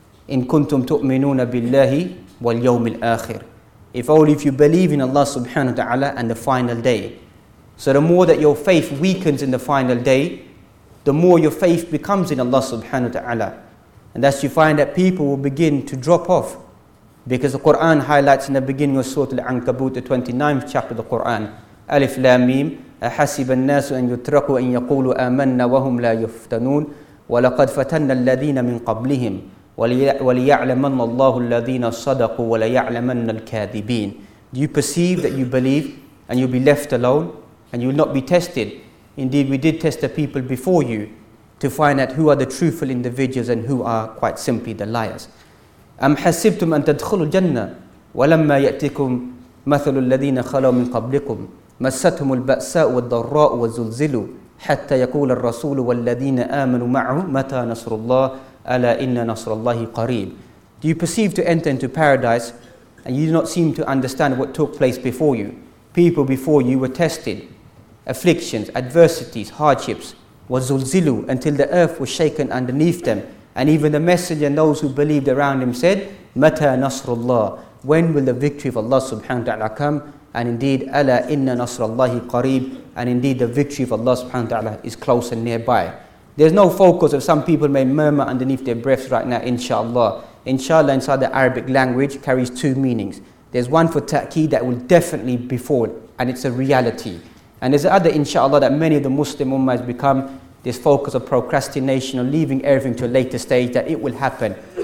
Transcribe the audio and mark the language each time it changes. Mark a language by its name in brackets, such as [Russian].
[Arabic] إِن كُنْتُمْ تُؤْمِنُونَ بِاللَّهِ وَالْيَوْمِ الْآخِرِ. [English] If only if you believe in Allah subhanahu wa ta'ala and the final day. So the more that your faith weakens in the final day, the more your faith becomes in Allah subhanahu wa ta'ala. And thus you find that people will begin to drop off. Because the Qur'an highlights in the beginning of Surah Al-Ankabut, the 29th chapter of the Qur'an, Alif Lam Mim, [Arabic] أَحَسِبَ النَّاسُ أَن يُتْرَكُوا أَن يَقُولُوا آمَنَّا وَهُمْ لَا يُفْتَنُونَ وَلَقَدْ فَتَنَّ الَّذِينَ مِنْ قَبْلِهِمْ وَلِيَعْلَمَنَّ اللَّهُ الَّذِينَ صَدَقُوا وَلَيَعْلَمَنَّ الْكَاذِبِينَ. [English] Do you perceive that you believe and you'll be left alone and you'll not be tested? Indeed, we did test the people before you to find out who are the truthful individuals and who are quite simply the liars. [Arabic] أَمْ حَسِبْتُمْ أَن تَدْخُلُوا الْجَنَّةِ وَلَمَّا يَأْتِكُمْ مَثَلُ الَّذِينَ خَلَوْا مِنْ قَبْلِكُمْ مستهم البأساء والضراء والزلزل حتى يقول الرسول والذين آمنوا معه متى نصر الله ألا إن نصر الله قريب. [English] Do you perceive to enter into paradise and you do not seem to understand what took place before you? People before you were tested, afflictions, adversities, hardships, والزلزل, until the earth was shaken underneath them. And even the messenger and those who believed around him said, [Arabic] متى نصر الله. [English] When will the victory of Allah subhanahu wa ta'ala come? And indeed, [Arabic] أَلَا إِنَّ نَصْرَ اللَّهِ قَرِيبٌ. [English] And indeed, the victory of Allah subhanahu wa ta'ala is close and nearby. There's no focus of some people may murmur underneath their breaths right now, inshallah. Inshallah, inside the Arabic language, carries two meanings. There's one for ta'keed that will definitely befall, and it's a reality. And there's the other, inshallah, that many of the Muslim ummah has become this focus of procrastination, or leaving everything to a later stage, that it will happen.